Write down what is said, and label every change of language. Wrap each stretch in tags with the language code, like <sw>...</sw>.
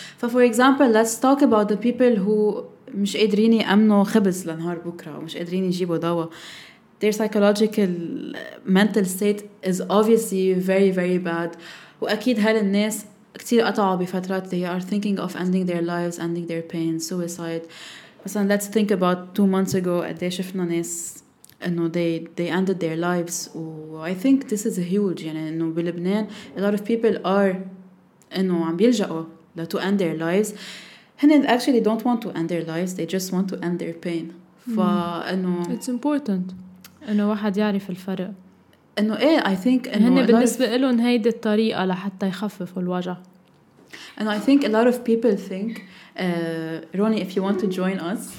<en>For example, let's talk about the people who</en> <ar>مش قادرين يأمنوا خبز لنهار بكرة ومش قادرين يجيبوا دواء.</ar> <en>Their psychological mental state is obviously very very bad.</en> <ar>وأكيد هالناس كتير قطعوا بفترات</ar> <en>they are thinking of ending their lives, ending their pain, suicide.</en> <ar>مثلا</ar> <en>let's think about 2 months ago</en> <ar>قدي شفنا ناس</ar> <en>they ended their lives. I think this is a huge</en> <ar>بلبنان</ar> <en>a lot of people are</en> <ar>عم بيلجأوا</ar> <en>to end their lives. And actually they don't want to end their lives, they just want to end their pain. It's important</en> <ar>واحد يعرف الفرق</ar> <en>I think</en> <ar>بالنسبة لهم هيدي الطريقة لحتى يخففوا الوجع.</ar> <en>And I think a lot of people think Ronnie, if you want to join us,</en>